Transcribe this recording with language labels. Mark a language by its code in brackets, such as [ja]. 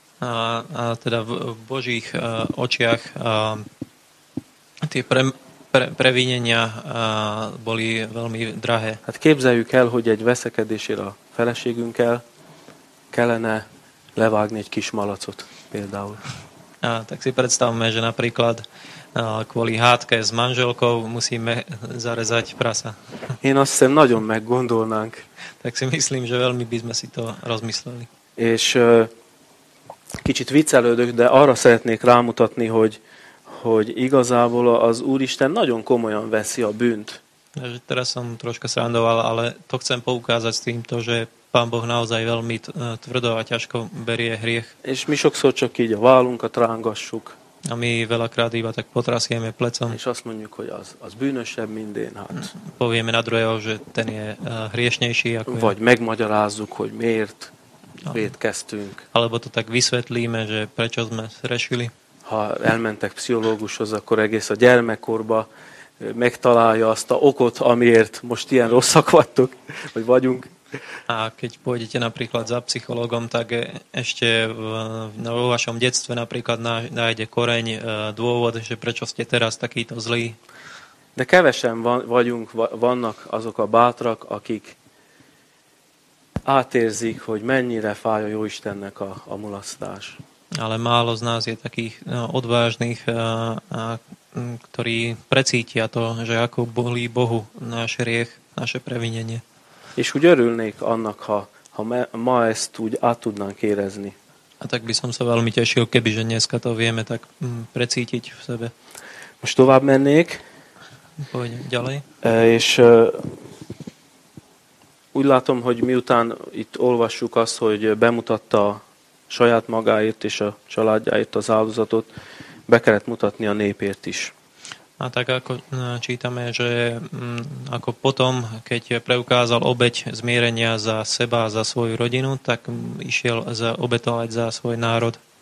[sk] A teda v Božích očiach tie previnenia boli veľmi drahé. [hu] Hát képzeljük el, hogy egy veszekedésére a feleségünkkel kellene levágni egy kis malacot például. [sk] A tak si predstavme, že napríklad kvôli hádke s manželkou musíme zarezať prasa. [hu] Én azt hiszem, nagyon meggondolnánk. [sk] Tak si myslím, že veľmi by sme si to rozmysleli. [hu] És kicsit viccelődök, de arra szeretnék rámutatni, hogy igazából az Úristen nagyon komolyan veszi a bűnt. [sk] Teraz som troška srandoval, ale to chcem poukázať s týmto, že Pán Boh naozaj veľmi tvrdo a ťažko berie hriech. [hu] És mi sokszor csak így a válunkat rángassuk. [sk] A my veľakrát iba tak potrasieme plecom. [hu] És azt mondjuk, hogy az bűnösebb, mint én. Hát. [sk] Povieme na druhého, že ten je hriešnejší. Ako [hu] vagy Megmagyarázzuk, hogy miért vétkeztünk. [sk] Alebo to tak vysvetlíme, že prečo sme srešili. [hu] Ha elmentek pszichológushoz, akkor egész a gyermekkorba megtalálja azt a okot, amiért most ilyen rosszak vagytok, vagy vagyunk. [sk] A keď pôjdete napríklad za psychologom, tak ešte vo vašom detstve napríklad nájde koreň, dôvod, že prečo ste teraz takýto zlí. [hu] De kevesen vannak azok a bátrak, akik átérzik, hogy mennyire fáj a Jóistennek a mulasztás. [sk] Ale málo z nás je takých odvážnych, ktorí precítia to, že ako bolí Bohu náš hriech, naše previnenie. [hu] És úgy örülnék annak, ha ma ezt úgy át tudnánk érezni. [sk] A tak by som sa veľmi tešil, keby že dneska to vieme tak precítiť v sebe. [hu] Most tovább mennék. [sk] Pôjdem ďalej. [hu] És úgy látom, hogy miután itt olvassuk azt, hogy bemutatta saját magáért és a családjáért az áldozatot, be kellett mutatni a népért is. [sk] A tak ako čítame, že ako potom, keď preukázal obeť zmierenia za seba, za svoju rodinu, tak išiel obetovať za svoj národ.